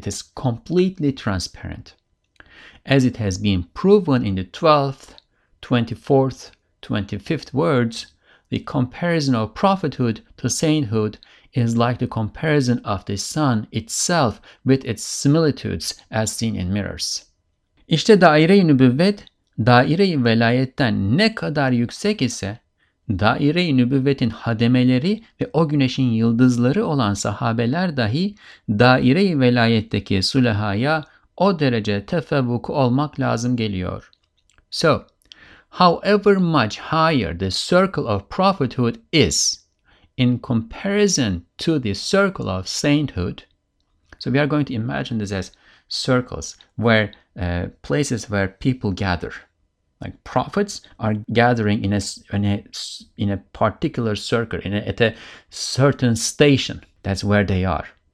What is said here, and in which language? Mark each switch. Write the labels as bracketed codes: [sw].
[en] It is completely transparent. As it has been proven in the 12th, 24th, 25th words, the comparison of prophethood to sainthood is like the comparison of the sun itself with its similitudes as seen in mirrors. [tr] İşte daire-i nübüvvet, daire-i velayetten ne kadar yüksek ise, daire-i nübüvvetin hademeleri ve o güneşin yıldızları olan sahabeler dahi, daire-i velayetteki sulahaya o derece tefevvuk olmak lazım geliyor. [en] So, however much higher the circle of prophethood is in comparison to the circle of sainthood, so we are going to imagine this as circles where places where people gather. Like prophets are gathering in a particular circle, at a certain station. That's where they are.